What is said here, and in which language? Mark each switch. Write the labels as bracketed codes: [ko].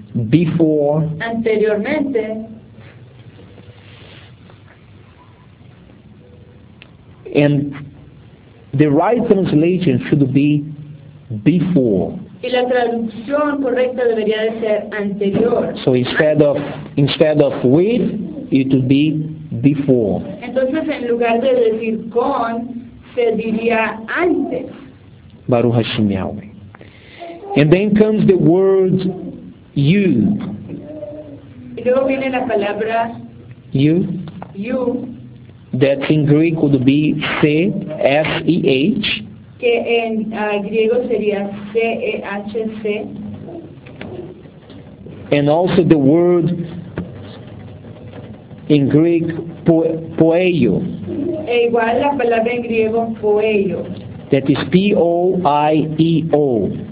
[en] before, [es] anteriormente, [en] and the right translation should be before. [es] Y la traducción correcta debería de ser anterior. [en] So instead of with, it would be before. [es] Entonces en lugar de decir con, se diría antes. [he] Baruch Hashem Yahweh. [en] And then comes the word you. [es] Y luego viene la palabra [en] you. You. That in Greek would be C-S-E-H. [es] Que en griego sería C-E-H-C. [en] And also the word in Greek poeio. [es] E igual la palabra en griego poeio. [en] That is P-O-I-E-O.